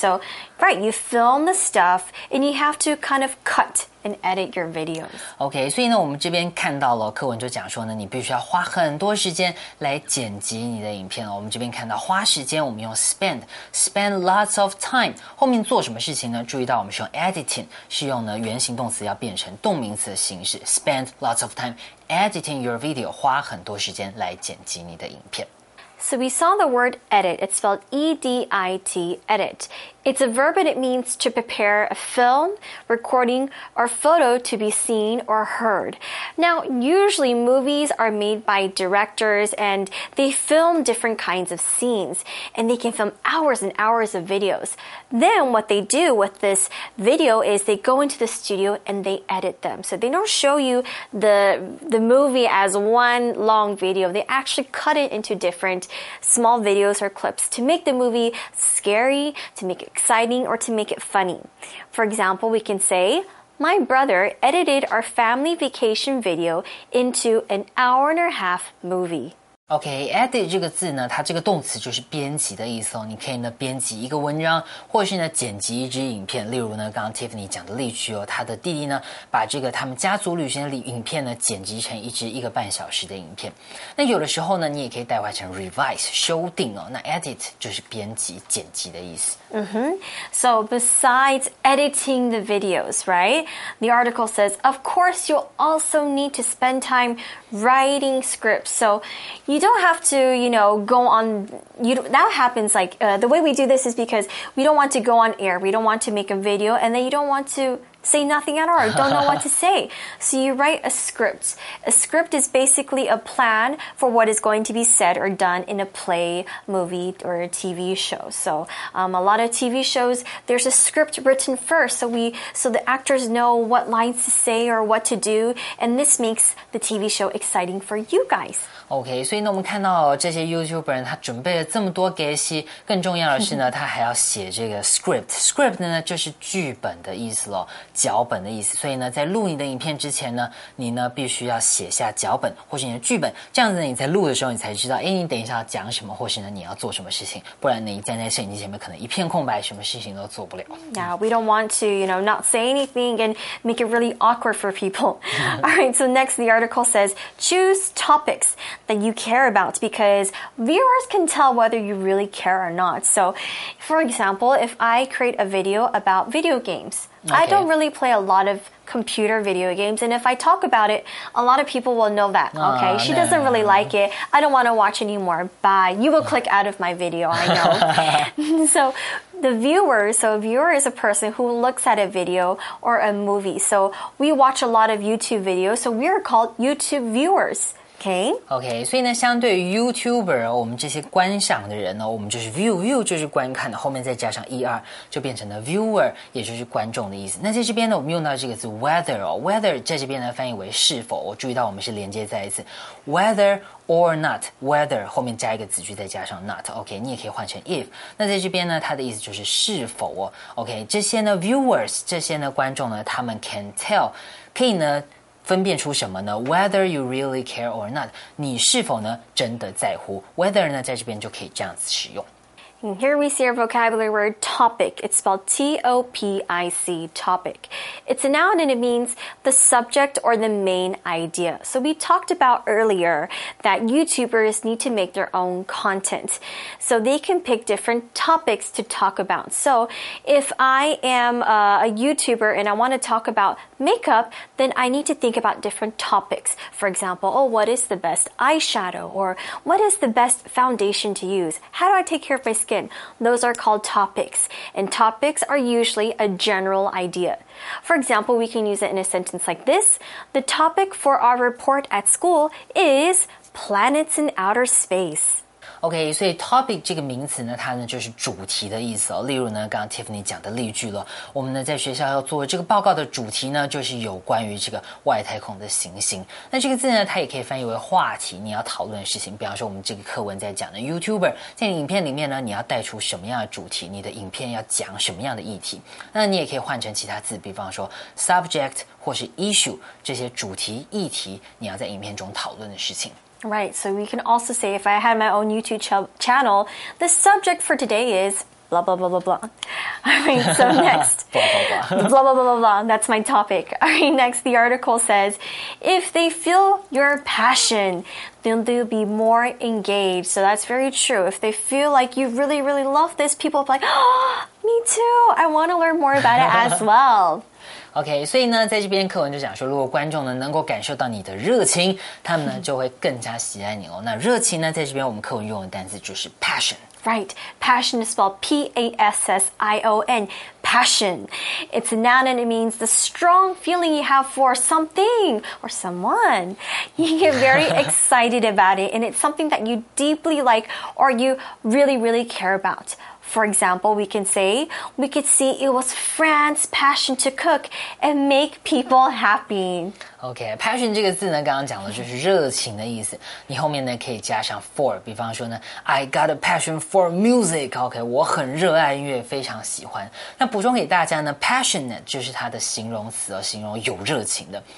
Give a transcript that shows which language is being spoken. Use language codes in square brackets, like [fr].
[en] So, right, you film the stuff and you have to kind of cut. And edit your videos. [zh] OK, 所以呢我们这边看到了课文就讲说呢你必须要花很多时间来剪辑你的影片了。我们这边看到花时间我们用 [en] spend lots of time. [zh] 后面做什么事情呢注意到我们是用 editing, 是用呢原形动词要变成动名词的形式 [en] spend lots of time editing your video, [zh] 花很多时间来剪辑你的影片。 [en] So we saw the word edit. It's spelled E-D-I-T, edit. It's a verb and it means to prepare a film, recording, or photo to be seen or heard. Now, usually movies are made by directors and they film different kinds of scenes and they can film hours and hours of videos. Then what they do with this video is they go into the studio and they edit them. So they don't show you the movie as one long video. They actually cut it into different small videos or clips to make the movie scary, to make it exciting, or to make it funny. For example, we can say, My brother edited our family vacation video into an hour and a half movie. [zh] OK, edit 这个字呢它这个动词就是编辑的意思哦。你可以呢编辑一个文章或是呢剪辑一支影片。例如呢刚刚 Tiffany 讲的例句哦他的弟弟呢把这个他们家族旅行的影片呢剪辑成一支一个半小时的影片。那有的时候呢你也可以代换成 revise, 修订哦。那 edit 就是编辑剪辑的意思。 [en] So besides editing the videos, right? The article says, of course you'll also need to spend time writing scripts. So,You don't have to, you know, go on, you, that happens like, the way we do this is because we don't want to go on air, we don't want to make a video, and then you don't want to say nothing at all, don't know what to say. So you write a script. A script is basically a plan for what is going to be said or done in a play, movie, or a TV show. So a lot of TV shows, there's a script written first, so the actors know what lines to say or what to do, and this makes the TV show exciting for you guys. [zh] OK, 所以呢我们看到这些 YouTuber 他准备了这么多给戏更重要的是呢他还要写这个 script. Script 呢就是剧本的意思咯。脚本的意思。所以呢，在录你的影片之前呢，你呢必须要写下脚本或是你的剧本，这样子你在录的时候你才知道，哎，你等一下要讲什么，或是呢你要做什么事情，不然你站在摄影机前面可能一片空白，什么事情都做不了。 [en] Yeah, we don't want to, you know, not say anything and make it really awkward for people. All right, so next the article says, choose topics that you care about because viewers can tell whether you really care or not. So, for example, if I create a video about video games, okay. I don't really play a lot of computer video games, and if I talk about it, a lot of people will know that, okay? She doesn't really like it. I don't want to watch anymore. Bye. You will click out of my video, I know. So, a viewer is a person who looks at a video or a movie. So, we watch a lot of YouTube videos, so we are called YouTube viewers. Okay, [zh] 所以呢相对于 YouTuber, 我们这些观赏的人呢我们就是 view 就是观看的，后面再加上 ER, 就变成了 viewer, 也就是观众的意思。那在这边呢我们用到这个字 whether, whether 在这边呢翻译为是否，我注意到我们是连接在一起 [en] whether or not, [zh] whether 后面加一个子句再加上 not, OK, 你也可以换成 if, 那在这边呢它的意思就是是否、哦、OK, 这些呢 viewers, 这些呢观众呢他们 [en] can tell, [zh] 可以呢分辨出什么呢 ？ [en] Whether you really care or not， [zh] 你是否呢真的在乎 ？Whether 呢，在这边就可以这样子使用。 [en] And here we see our vocabulary word topic. It's spelled T-O-P-I-C, topic. It's a noun and it means the subject or the main idea. So we talked about earlier that YouTubers need to make their own content. So they can pick different topics to talk about. So if I am a YouTuber and I want to talk about makeup, then I need to think about different topics. For example, oh, what is the best eyeshadow? Or what is the best foundation to use? How do I take care of my skin? Those are called topics. And topics are usually a general idea. For example, we can use it in a sentence like this. The topic for our report at school is planets in outer space. [zh] OK, 所以 topic 这个名词呢它呢就是主题的意思、哦、例如呢刚刚 Tiffany 讲的例句了，我们呢在学校要做这个报告的主题呢就是有关于这个外太空的行星。那这个字呢它也可以翻译为话题，你要讨论的事情，比方说我们这个课文在讲的 YouTuber, 在你影片里面呢你要带出什么样的主题，你的影片要讲什么样的议题。那你也可以换成其他字，比方说 subject 或是 issue, 这些主题议题你要在影片中讨论的事情。 [en] Right, so we can also say if I had my own YouTube channel, the subject for today is blah, blah, blah, blah, blah. All right, so next. blah, blah, blah. Blah, blah, blah, blah, that's my topic. All right, next, the article says, if they feel your passion, then they'll be more engaged. So that's very true. If they feel like you really, really love this, people are like, oh, me too. I want to learn more about it as well. [zh] OK, 所以呢在这边课文就讲说，如果观众呢能够感受到你的热情，他们呢就会更加喜爱你哦。那热情呢在这边我们课文用的单词就是 passion。 [en] Right, passion is spelled P-A-S-S-I-O-N, passion. It's a noun and it means the strong feeling you have for something or someone. You get very excited about it and it's something that you deeply like or you really, really care about. For example, we could see it was Fran's passion to cook and make people happy. [zh] Okay, passion 这个字呢，刚刚讲的就是热情的意思。你后面呢可以加上 for， 比方说呢 ， [en] I got a passion for music. [zh] Okay, 我很热爱音乐，非常喜欢。那补充给大家呢 ，passionate 就是它的形容词哦，形容有热情的。